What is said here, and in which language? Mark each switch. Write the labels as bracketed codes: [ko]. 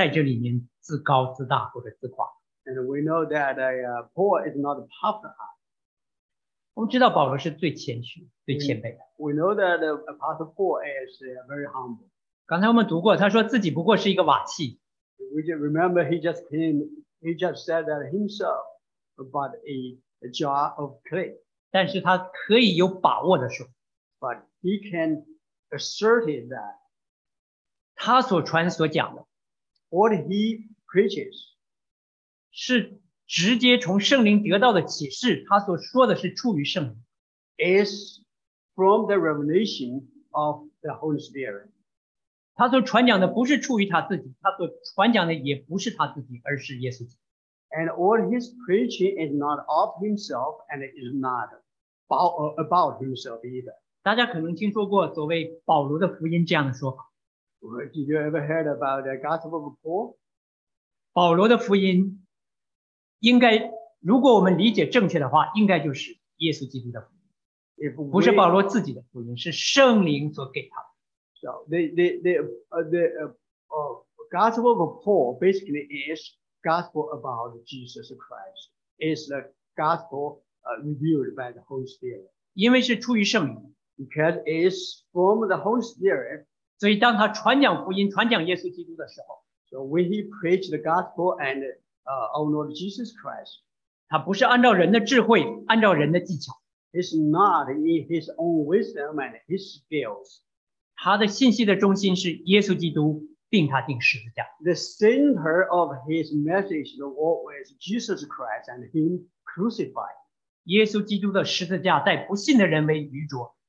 [zh] 保罗当然不是在这里面自高自大或者自夸。 [en] And we know that Paul is not puffed up. [zh] 我们知道保罗是最谦虚、最谦卑的。 [en] We know that the Apostle Paul is very humble. [zh] 刚才我们读过，他说自己不过是一个瓦器。 [en] We just remember he just said that himself, but a jar of clay. [zh] 但是他可以有把握地说。 [en] But he can assert it that. [zh] 他所传所讲的。 [en] What he preaches. [zh] 是直接从圣灵得到的启示，他所说的是出于圣灵。 [en] Is from the revelation of the Holy Spirit. [zh] 他所传讲的不是出于他自己，他所传讲的也不是他自己，而是耶稣基督。 [en] And all his preaching is not of himself and is not about himself either. [zh] 大家可能听说过所谓保罗的福音这样的说法。 [en] Did you ever heard about the gospel of Paul? [zh] 保罗的福音应该，如果我们理解正确的话，应该就是耶稣基督的福音。不是保罗自己的福音，是圣灵所给他的。 [en] So the gospel of Paul basically is gospel about Jesus Christ. It's the gospel revealed by the Holy Spirit. [zh] 因为是出于圣灵。 [en] Because it's from the Holy Spirit. [zh] 所以当他传讲福音，传讲耶稣基督的时候。 [en] So when he preached the gospel and our Lord Jesus Christ. [zh] 他不是按照人的智慧，按照人的技巧。 [en] It's not in his own wisdom and his skills. [zh] 他的信息的中心是耶稣基督并他钉十字架。 [en] The center of his message was Jesus Christ and him crucified. [zh] 耶稣基督的十字架带不信的人为愚拙。